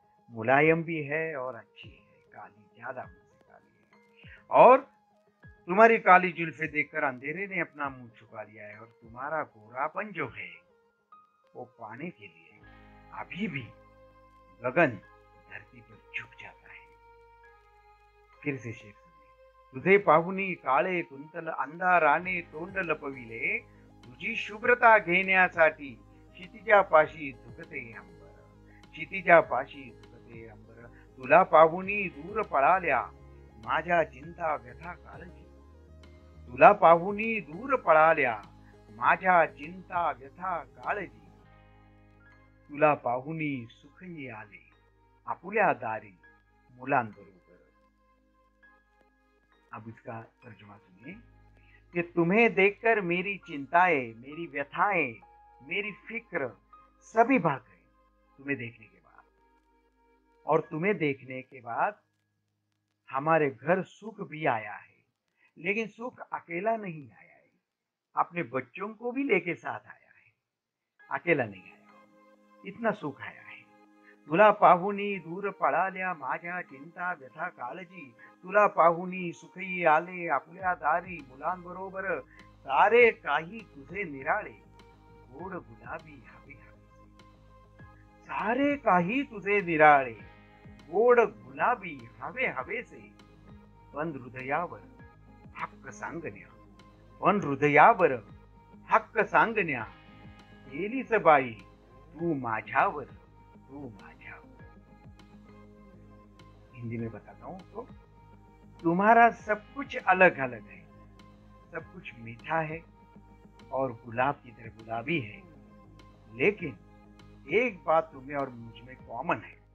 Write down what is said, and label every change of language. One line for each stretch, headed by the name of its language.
Hindi: मुलायम भी है और अच्छी है, काली ज्यादा मुझसे काली है, और तुम्हारी काली जुल्फे देखकर अंधेरे ने अपना मुंह छुपा लिया है, और तुम्हारा गोरापन जो है वो पाने के लिए अभी भी गगन धरती पर झुक जाता है। फिर से शेर,
Marathi: तुझे पाहुनी काले कुंतल अंधाराने तोंड लपविले, तुझी शुभ्रता घेण्यासाठी क्षितिजा पाशी झुकते अंबर, क्षितिजा पाशी झुकते अंबर, तुला पाहुनी दूर पळाल्या माझ्या चिंता व्यथा काळजी, तुला पाहुनी दूर पळाल्या माझ्या चिंता व्यथा काळजी, तुला पाहुनी सुखी आले आपुल्या दारी मुलांबरोबर।
Hindi: अब इसका तर्जुमा सुनिए कि तुम्हें देखकर मेरी चिंताएं, मेरी व्यथाएं, मेरी फिक्र सभी भाग गए तुम्हें देखने के बाद, और तुम्हें देखने के बाद हमारे घर सुख भी आया है, लेकिन सुख अकेला नहीं आया है, अपने बच्चों को भी लेके साथ आया है, अकेला नहीं आया, इतना सुख आया है।
Marathi: तुला पाहुनी दूर पड़ा लिया माझा चिंता व्यथा कालजी, तुला पाहुनी सुखी आले आपल्या दारी मुलांबरोबर, सारे काही तुझे निराळे गोड गुलाबी हवे, सारे काही तुझे निराळे गोड गुलाबी हवे हवेसे, पण हृदयावर हक्क सांगण्या, पण हृदयावर हक्क सांगण्या, केलीस बाई तू माझ्यावर, तू माझ्यावर।
Hindi: हिंदी में बताता हूं तो, तुम्हारा सब कुछ अलग अलग है, सब कुछ मीठा है और गुलाब की तरह गुलाबी है, लेकिन एक बात तुम्हें और मुझ में कॉमन है,